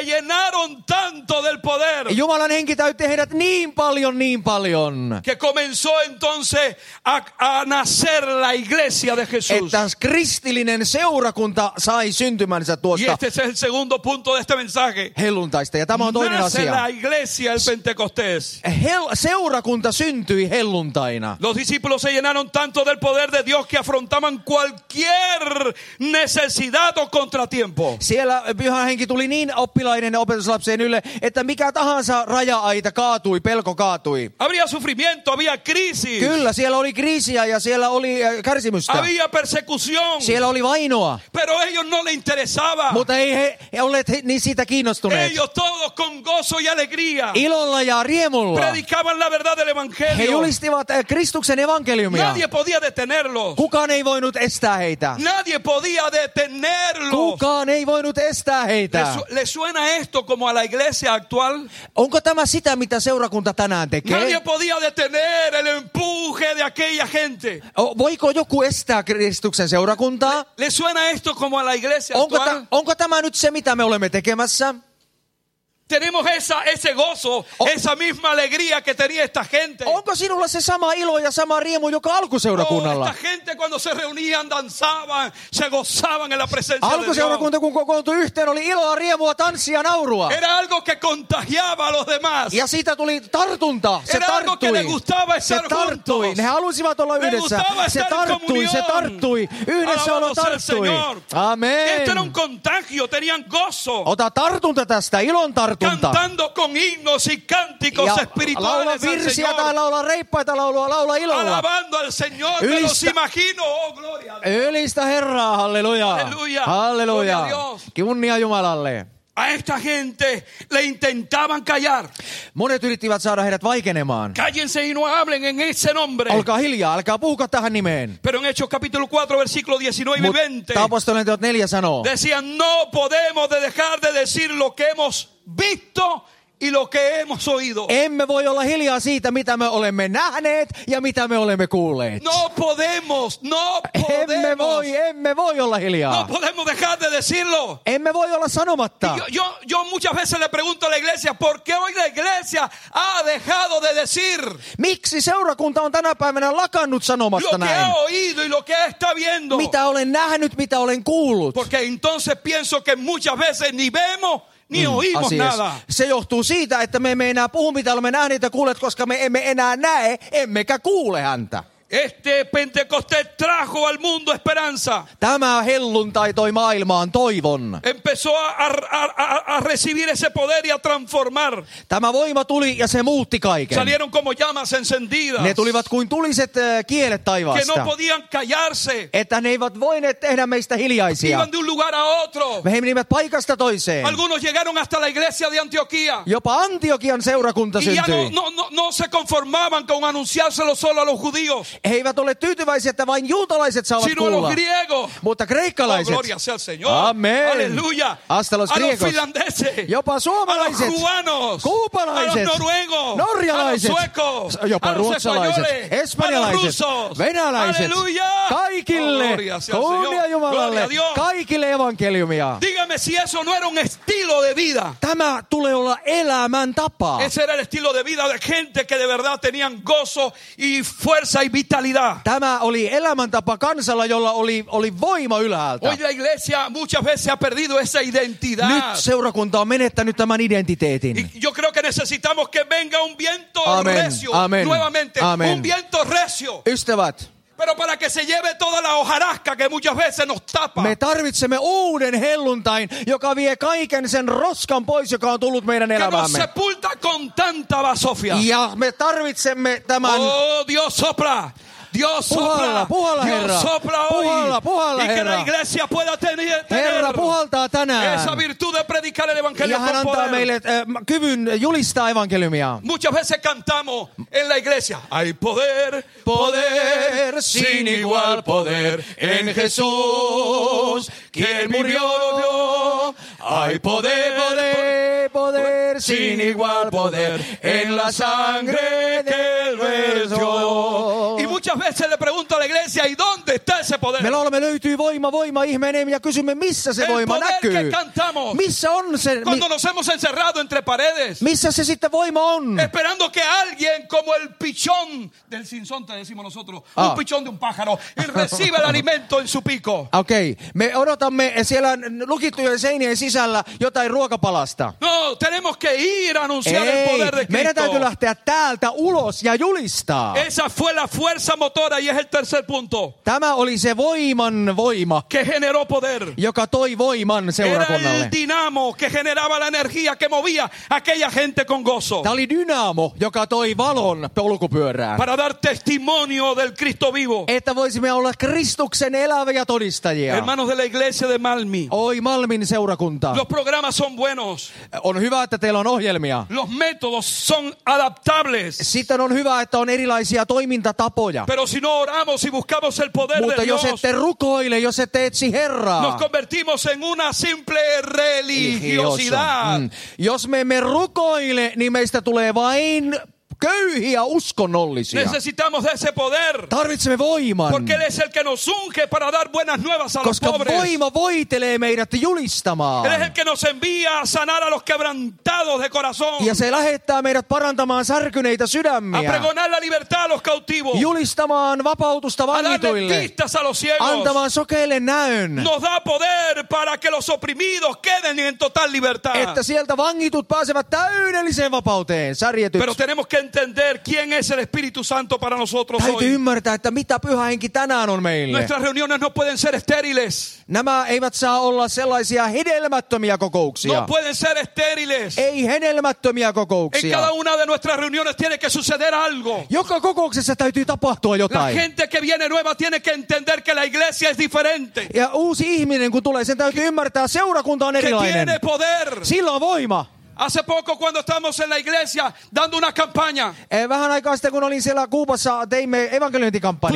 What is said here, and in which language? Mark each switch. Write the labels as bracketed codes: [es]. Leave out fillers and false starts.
[es] Se llenaron tanto del poder. [fi] Jumalan henki täytti heidät niin paljon. [es] Que comenzó entonces a nacer la iglesia de Jesús. [fi] Että kristillinen seurakunta sai syntymänsä tuosta. [es] Y este es el segundo punto de este mensaje. [fi] Helluntaista. Ja tämä on toinen [es] nace [fi] asia. [es] La iglesia el Pentecostés. [fi] Seurakunta syntyi helluntaina. [es] Los discípulos se llenaron tanto del poder de Dios que afrontaban cualquier necesidad o contratiempo. [fi] Siellä pyhä henki tuli niin oppilaiden ja opetuslapsien ylle, että mikä tahansa raja-aita kaatui, pelko kaatui. [es] Habría sufrimiento. Había crisis. [fi] Kyllä, siellä oli kriisiä ja siellä oli kärsimystä. [es] Había persecución. [fi] Siellä oli vainoa. [es] Pero ellos no le interesaba. [fi] Mutta ei he olleet niin siitä kiinnostuneet. [es] Ellos todos con gozo y alegría. [fi] Ilolla ja riemulla. [es] Predicaban la verdad del evangelio. [fi] He julistivat Kristuksen evankeliumia. [es] Nadie podía detenerlos. [fi] Kukaan ei voinut estää heitä. [es] Nadie podía detenerlos. [fi] Kukaan ei voinut estää heitä. [es] Le suena esto como a la iglesia actual? [fi] Onko tämä sitä, mitä seurakunta tänään tekee? [es] Nadie podía detener el empuje de aquella gente. [fi] Voiko joku estää Kristuksen seurakuntaa? [es] Le suena esto como a la iglesia actual? [fi] Onko tämä nyt se, mitä me olemme tekemässä? [es] Tenemos esa, ese gozo, esa misma alegría que tenía esta gente. [fi] Onko sinulla se sama ilo ja sama riemu, joka alkuseurakunnalla? [es] Esta gente cuando se reunían, danzaban, se gozaban en la presencia de Dios. [fi] Alkuseurakunta kun kokoontui yhteen, oli iloa, riemua, tanssia, naurua. [es] Era algo que contagiaba a los demás. [fi] Ja siitä tuli tartunta, se tarttui. [es] Era algo que le gustaba estar [fi] se tarttui. [es] Juntos. [fi] Ne halusivat olla yhdessä. Se tarttui, se tarttui. Yhdessä olo tarttui. Amen. [es] Esto era un contagio, tenían gozo. [fi] Ota tartunta tästä, ilon tartunta. [es] Cantando con himnos y cánticos [fi] ja [es] espirituales [fi] laula virsiä, [es] al Señor. [fi] Laula ilolla. [es] Alabando al Señor, ylistä, me los imagino, oh gloria. [fi] Ylistä Herraa, halleluja. Halleluja. Halleluja. Kunnia Jumalalle. [es] A esta gente le intentaban callar. [fi] Monet yrittivät saada heidät vaikenemaan. [es] Cállense y no hablen en ese nombre. [fi] Olkaa hiljaa, älkää puhuka tähän nimeen. [es] Pero en Hechos capítulo 4 versículo 19 y 20. [fi] Apostolien teot 4 sanoo. [es] Decían, no podemos dejar de decir lo que hemos visto y lo que hemos oído. [fi] Emme voi olla hiljaa siitä, mitä me olemme nähneet ja mitä me olemme kuulleet. [es] No podemos, no podemos. [fi] Emme voi olla hiljaa. [es] No podemos dejar de decirlo. [fi] Emme voi olla sanomatta. [es] Yo muchas veces le pregunto a la iglesia, ¿por qué hoy la iglesia ha dejado de decir? [fi] Miksi seurakunta on tänä päivänä lakannut sanomasta näin? [es] Lo que he oído y lo que está viendo. [fi] Mitä olen nähnyt, mitä olen kuullut. [es] Porque entonces pienso que muchas veces ni vemos. Nada. [fi] Se johtuu siitä, että me emme enää puhu, mitä olemme nähneet ja kuulleet, koska me emme enää näe, emmekä kuule häntä. [es] Este Pentecostés trajo al mundo esperanza. [fi] Tämä helluntai toi maailmaan toivon. [es] Empezó a recibir ese poder y a transformar. [fi] Tämä voima tuli ja se muutti kaiken. [es] Salieron como llamas encendidas. [fi] Ne tulivat kuin tuliset kielet taivaasta. [es] Que no podían callarse. [fi] Että ne eivät voineet tehdä meistä hiljaisia. [es] Iban de un lugar a otro. [fi] Me menivät paikasta toiseen. [es] Algunos llegaron hasta la iglesia de Antioquía. [fi] Jopa Antiokian seurakunta syntyi. [es] No se conformaban con anunciárselo solo a los judíos. [fi] He eivät ole tyytyväisiä, että vain juutalaiset saavat [es] sino [fi] kuulla. [es] Griego. [fi] Mutta kreikkalaiset. [es] Oh, gloria sea al Señor. Amen. Aleluya. Hasta los griegos. A los finlandeses. [fi] Jopa suomalaiset. [es] A los cubanos. [fi] Kuupalaiset. [es] A los noruegos. [fi] Norjalaiset. [es] A los suecos. [fi] Jopa [es] a los [fi] ruotsalaiset. [es] Españoles. [fi] Espanjalaiset. [es] A los rusos. [fi] Venäläiset. [es] Aleluya. [fi] Kaikille. [es] Oh, gloria sea al Señor. [fi] Jumalalle. [es] Gloria a Dios. [fi] Kaikille evankeliumia. [es] Dígame si eso no era un estilo de vida. [fi] Tämä tulee olla elämän tapa. [es] Ese era el estilo de vida de gente que de verdad tenían gozo y fuerza. [fi] Tämä oli elämäntapa kansalla, jolla oli voima ylhäältä. [es] Hoy la iglesia muchas veces ha perdido esa identidad. [fi] Nyt seurakunta on menettänyt tämän identiteetin. [es] Yo creo que necesitamos que venga un viento recio. Amen. Nuevamente. Amen. Un viento recio. [fi] Ystävät. [es] Pero para que se lleve toda la hojarasca que muchas veces nos tapa. [fi] Me tarvitsemme uuden helluntain, joka vie kaiken sen roskan pois, joka on tullut meidän elämäämme. [es] Que nos sepulta con tanta basofia. [fi] Ja me tarvitsemme tämän. [es] Oh, Dios sopla. Dios [fi] puhalla, [es] sopla. [fi] Puhalla, Herra. [es] Dios sopla hoy. [fi] Puhalla, Herra. [es] Y que la iglesia pueda tener. [fi] Herra puhaltaa tänään. [es] Esa virtud de predicar el evangelio. [fi] Ja hän antaa meille kyvyn julistaa evankeliumia. [es] Muchas veces cantamos en la iglesia. Hay poder, poder, sin igual poder en Jesús, quien murió. Hay poder, poder, sin igual poder en la sangre que él vertió. Muchas veces le pregunto a la iglesia, ¿y dónde está ese poder? [fi] Me olemme löytyy voima ihmeenem ja kysymme missä se [es] el [fi] voima näkyy. [es] Que cantamos. [fi] Missä on se? [es] Cuando nos hemos encerrado entre paredes. [fi] Missä se sitten voima on? [es] Esperando que alguien como el pichón del sinsonte decimos nosotros, ah. Un pichón de un pájaro, él recibe el alimento en su pico. [en] Okei. Okay. [fi] Me odotamme siellä lukittujen seinien sisällä jotain ruokapalasta. [es] No, tenemos que ir a anunciar el poder de Cristo. [fi] Meidän täytyy lähteä täältä ulos ja julistaa. [es] Esa fue la fuerza motora y es el tercer punto. [fi] Tämä oli se voiman voima. [es] Que generó poder. [fi] Joka toi voiman seurakunnalle. [es] Era el dinamo que generaba la energía que movía aquella gente con gozo. [fi] Tämä oli dynamo, joka toi valon polkupyörään. [es] Para dar testimonio del Cristo vivo. [fi] Että voisimme olla Kristuksen eläviä todistajia. [es] Hermanos de la iglesia de Malmi. [fi] Oi Malmin seurakunta. [es] Los programas son buenos. [fi] On hyvä, että teillä on ohjelmia. [es] Los métodos son adaptables. [fi] Sitten on hyvä, että on erilaisia toimintatapoja. [es] Pero si no oramos y buscamos el poder [fi] mutta [es] de Dios, [fi] ette rukoile, jos ette etsi Herraa, [es] nos convertimos en una simple religiosidad. [fi] Jos me emme rukoile, niin meistä tulee vain köyhiä uskonnollisia. [es] Necesitamos de ese poder. [fi] Tarvitsemme voiman. [es] Porque él es el que nos unge para dar buenas nuevas a los pobres. [fi] Koska voima voitelee meidät julistamaan. [es] Él es el que nos envía a sanar a los quebrantados de corazón. [fi] Ja se lähettää meidät parantamaan särkyneitä sydämiä. [es] A pregonar la libertad a los cautivos. [fi] Julistamaan vapautusta vangituille. [es] A darle vistas a los ciegos. [fi] Antamaan sokeille näön. [es] Nos da poder para que los oprimidos queden en total libertad. [fi] Että sieltä vangitut pääsevät täydelliseen vapauteen, särjetyt. [es] Pero tenemos que entender quién es el Espíritu Santo para nosotros [fi] hoy. Täytyy ymmärtää, että mitä Pyhä Henki tänään on meille. [es] Nuestras reuniones no pueden ser estériles. [fi] Nämä eivät saa olla sellaisia hedelmättömiä kokouksia. [es] No pueden ser estériles. [fi] Ei hedelmättömiä kokouksia. [es] En cada una de nuestras reuniones tiene que suceder algo. [fi] Joka kokouksessa täytyy tapahtua jotain. [es] La gente que viene nueva tiene que entender que la iglesia es diferente. [fi] Ja uusi ihminen, kun tulee, sen täytyy ymmärtää, seurakunta on erilainen. [es] Que tiene poder. [fi] Sillä on voima. [es] Hace poco cuando estamos en la iglesia dando una campaña. [fi] Vähän aikaa sitten, kun olin siellä Kuubassa, teimme evankeliointikampanjaa.